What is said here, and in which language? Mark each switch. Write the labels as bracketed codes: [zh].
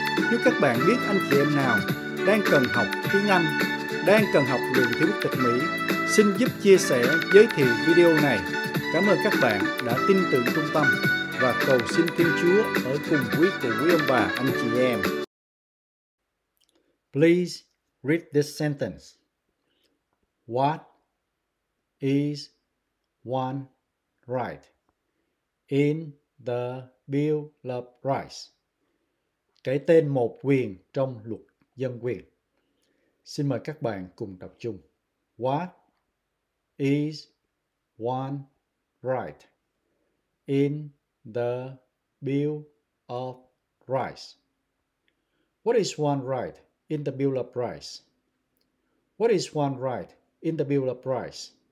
[vi] Nếu các bạn biết anh chị em nào đang cần học tiếng Anh, đang cần học luyện tiếng quốc tịch Mỹ, xin giúp chia sẻ giới thiệu video này. Cảm ơn các bạn đã tin tưởng trung tâm và cầu xin Thiên Chúa ở cùng quý cụ quý ông bà anh chị em. [en] Please Read this sentence. What is one right in the Bill of Rights? [vi] Cái tên một quyền trong luật dân quyền. Xin mời các bạn cùng đọc chung. [en] What is one right in the Bill of Rights? What is one right in the Bill of Rights? What is one right in the Bill of Rights?